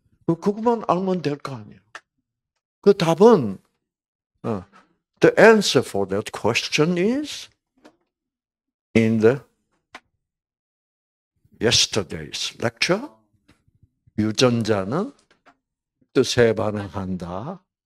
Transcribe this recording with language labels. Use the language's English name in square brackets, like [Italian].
[Korean] 그것만 알면 될 거 아니에요. 그 답은 [English] the answer for that question is in the yesterday's lecture. [Korean] 유전자는 뜻에 반응한다.